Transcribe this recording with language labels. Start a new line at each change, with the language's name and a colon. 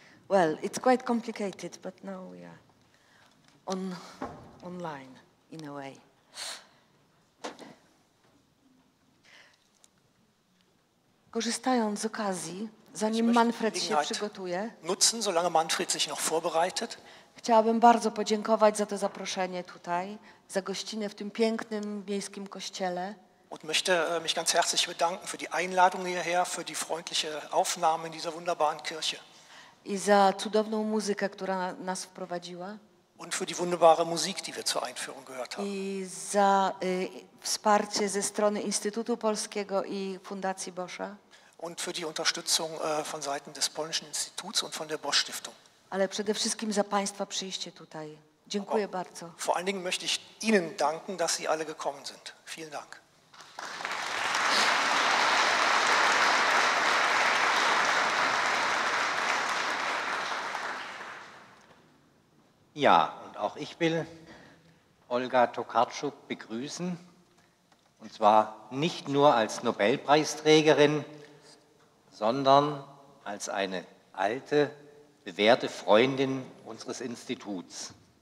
English: Well, it's quite complicated, but now we are online, in a way.
Polish: Korzystając z okazji, zanim Manfred się przygotuje,
German: nutzen, solange Manfred sich noch vorbereitet,
Polish: chciałabym bardzo podziękować za to zaproszenie tutaj, za gościnę w tym pięknym miejskim kościele.
German: Und möchte mich ganz herzlich bedanken für die Einladung hierher, für die freundliche Aufnahme in dieser wunderbaren Kirche.
Polish: I za cudowną muzykę, która nas wprowadziła.
German: Und für die wunderbare Musik, die wir zur Einführung gehört haben.
Polish: I za wsparcie ze strony Instytutu Polskiego i Fundacji Boscha.
German: Und für die Unterstützung von Seiten des polnischen Instituts und von der Bosch Stiftung.
Polish: Ale przede wszystkim za Państwa przyjście tutaj. Dziękuję bardzo.
German: Vor allen Dingen möchte ich Ihnen danken, dass Sie alle gekommen sind. Vielen Dank. Ja, und auch ich will Olga Tokarczuk begrüßen, und zwar nicht nur als Nobelpreisträgerin, sondern als eine alte, bewährte Freundin unseres Instituts.